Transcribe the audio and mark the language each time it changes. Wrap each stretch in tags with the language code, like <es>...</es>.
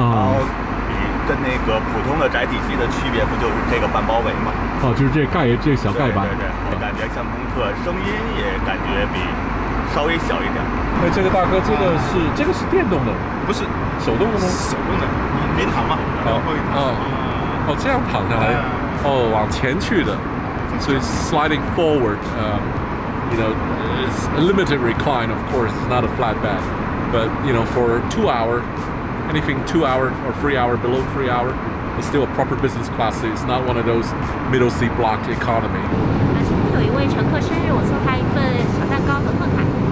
<zh>然后跟那个普通的窄体机的区别，不就是这个半包围吗？哦，就是这盖这小盖板，对对对，感觉像空客，声音也感觉比。稍微小一点。哎，这个大哥，这个是电动的，不是手动的吗？手动的，没躺嘛。哦，这样躺下来，往前去的，所以</zh> <en>sliding forward， you know， it's a limited recline， of course， it's not a flat bed， but you know， for two hour or three hour below three hour， it's still a proper business class seat， it's not one of those middle seat blocked economy。</en> <zh>今天有一位乘客生日，我送他一份小蛋糕的贺卡。</zh>